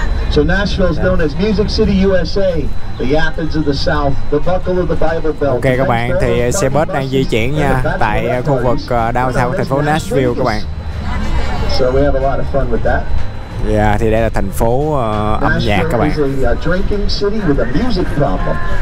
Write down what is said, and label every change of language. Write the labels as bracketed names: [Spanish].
[English] So Nashville is known as Music City USA, the Athens of the South, the buckle of the Bible Belt. [Vietnamese] Ok các bạn, thì xe bus đang di chuyển nha tại khu vực downtown thành phố Nashville các bạn. [English] So we have a lot of fun with that. [Vietnamese] Yeah, thì đây là thành phố âm nhạc các bạn. [English] Nashville is a drinking city with a music problem.